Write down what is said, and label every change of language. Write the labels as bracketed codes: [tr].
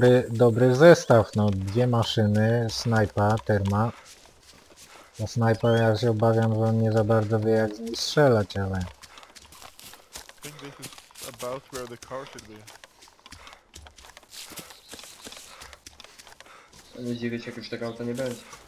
[pl] Dobry zestaw, no dwie maszyny, snajpa, terma. Na snajpa ja się obawiam, że on nie za bardzo wie jak strzelać, ale... [en] Think this is about where the car should be. [pl] Ludzie, wiecie, jak już taka auta nie będzie.